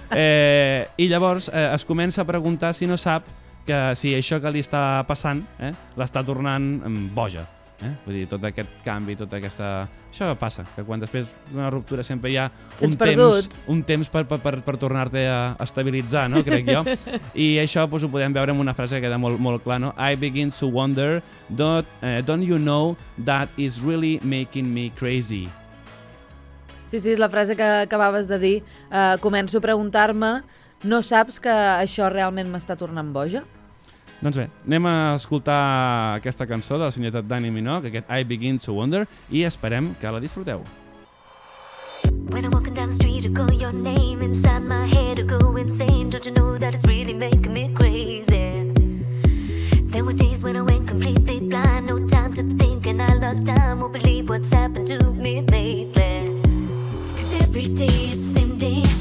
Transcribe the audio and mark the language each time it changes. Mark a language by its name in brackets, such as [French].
[Catalan] I llavors es comença a preguntar si no sap que si això que li està passant l'està tornant boja. Vull dir, tot aquest canvi, tota aquesta... Això passa, que quan després d'una ruptura sempre hi ha un temps per tornar-te a estabilitzar, no? Crec jo. I això doncs, ho podem veure en una frase que queda molt, molt clar, no? [English] I begin to wonder, don't you know that is really making me crazy? [Catalan] Sí, sí, és la frase que acabaves de dir. Començo a preguntar-me... No saps que això realment m'està tornant boja? Doncs bé, anem a escoltar aquesta cançó de la senyoreta Dani Minogue, aquest I Begin to Wonder, i esperem que la disfruteu. [English] When I'm walking down the street, I call your name inside my head, I go insane. Don't you know that it's really making me crazy? There were days when I went completely blind, no time to think and I lost time. Won't believe what's happened to me lately. Cause every day it's the same day.